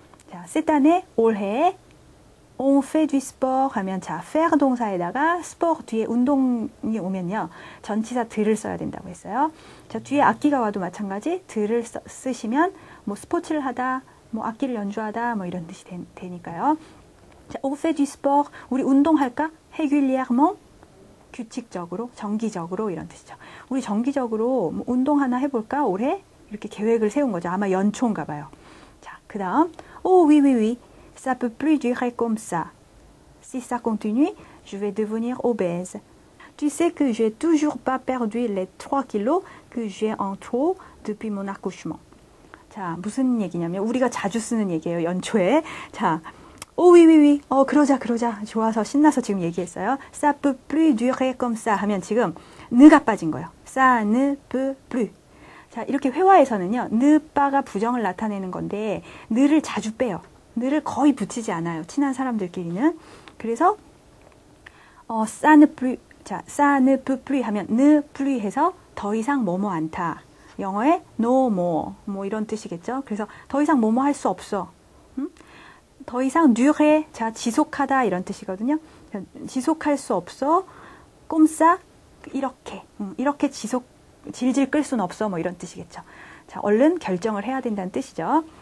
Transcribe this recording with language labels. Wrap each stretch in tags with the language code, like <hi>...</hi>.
<ko>자,</ko> <fr>cette année,</fr> <ko>올해</ko> <fr>on fait du sport</fr> <ko>하면 자, faire 동사에다가 sport 뒤에 운동이 오면요. 전치사 들을 써야 된다고 했어요. 자, 뒤에 악기가 와도 마찬가지 들을 쓰시면 뭐 스포츠를 하다, 뭐 악기를 연주하다 뭐 이런 뜻이 되니까요. 자,</ko> <fr>on fait du sport</fr> <ko>우리 운동할까? régulièrement 규칙적으로, 정기적으로 이런 뜻이죠. 우리 정기적으로 뭐 운동 하나 해 볼까? 올해 이렇게 계획을 세운 거죠. 아마 연초인가 봐요. 자, 그다음 오위위위</ko> <fr>Ça peut plus durer comme ça. Si ça continue, je vais devenir obèse. Tu sais que j'ai toujours pas perdu les 3 kilos que j'ai en trop depuis mon accouchement.</fr> <ko>자, 무슨 얘기냐면 우리가 자주 쓰는 얘기예요, 연초에. 자, 오위위위. 그러자 그러자. 좋아서 신나서 지금 얘기했어요.</ko> <fr>Ça peut plus durer comme ça</fr> <ko>하면 지금 ne가 빠진 거예요.</ko> <fr>Ça ne peut plus.</fr> <ko>자, 이렇게 회화에서는요. ne가 부정을 나타내는 건데 ne를 자주 빼요. 늘을 거의 붙이지 않아요. 친한 사람들끼리는. 그래서</ko> <fr>ça ne plus</fr> <ko>자,</ko> <fr>ça ne peut plus</fr> <ko>하면 ne plus 해서 더 이상 뭐뭐 않다. 영어에</ko> <en>no more</en> <ko>뭐 이런 뜻이겠죠. 그래서 더 이상 뭐뭐 할 수 없어. 음? 더 이상 durer 자, 지속하다 이런 뜻이거든요. 지속할 수 없어.</ko> <fr>comme ça</fr> <ko>이렇게. 이렇게 지속 질질 끌 수는 없어 뭐 이런 뜻이겠죠. 자, 얼른 결정을 해야 된다는 뜻이죠.</ko>